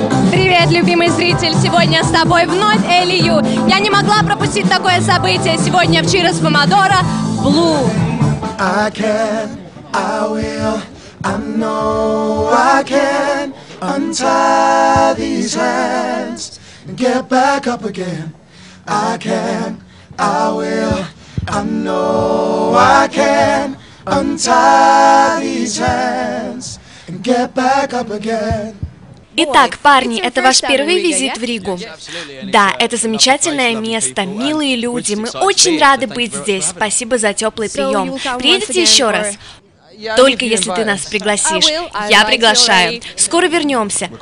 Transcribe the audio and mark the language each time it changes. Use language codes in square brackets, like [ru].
[ru] Привет, любимый зритель! Сегодня с тобой вновь Элли Ю. Я не могла пропустить такое событие. Сегодня в Чирос Помодоро Blue. [en] I can, I will, I know I can untie these hands and get back up again. I can, I will, I know I can untie these hands and get back up again. [ru] Итак, парни, это ваш первый визит в Ригу. Да, это замечательное место, милые люди, мы очень рады быть здесь. Спасибо за теплый прием. Приедете еще раз? Только если ты нас пригласишь. Я приглашаю. Скоро вернемся.